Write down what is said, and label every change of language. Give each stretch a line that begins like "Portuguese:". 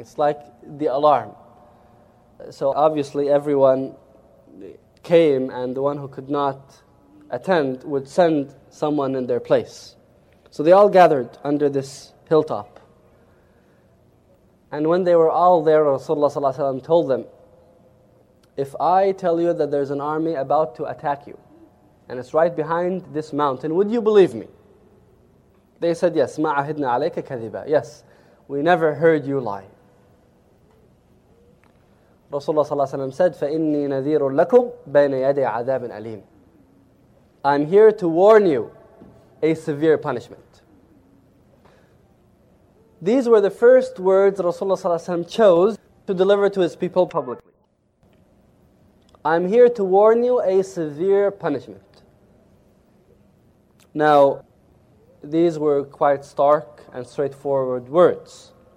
English: It's like the alarm. So obviously everyone came and the one who could not attend would send someone in their place. So they all gathered under this hilltop. And when they were all there, Rasulullah ﷺ told them, if I tell you that there's an army about to attack you, and it's right behind this mountain, would you believe me? They said, yes,
Arabic: ما عهدنا عليك كذبا.
English: Yes, we never heard you lie.
Arabic: Rasulullah ﷺ said, فَإِنِّي نَذِيرٌ لَكُمْ بَيْنَ يَدَيْ عَذَابٍ أَلِيمٍ.
English: I'm here to warn you a severe punishment. These were the first words Rasulullah ﷺ chose to deliver to his people publicly. I'm here to warn you a severe punishment. Now, these were quite stark and straightforward words.